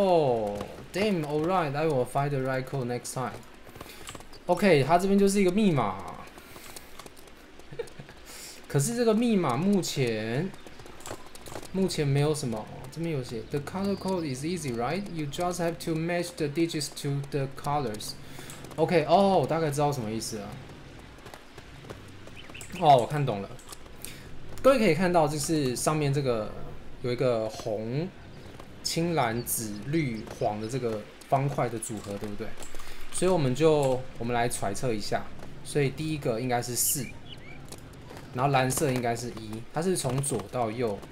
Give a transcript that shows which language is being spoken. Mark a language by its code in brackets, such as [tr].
[en] Oh，damn！All right，I will find the right code next time。 [zh] OK， 他这边就是一个密码，可是这个密码目前没有什么。这边有写 [en] ，The color code is easy, right? You just have to match the digits to the colors. [zh] OK， 哦，我大概知道什么意思了。哦，我看懂了。各位可以看到，就是上面这个有一个红、青、蓝、紫、绿、黄的这个方块的组合，对不对？所以我们来揣测一下。所以第一个应该是四，然后蓝色应该是一，它是从左到右。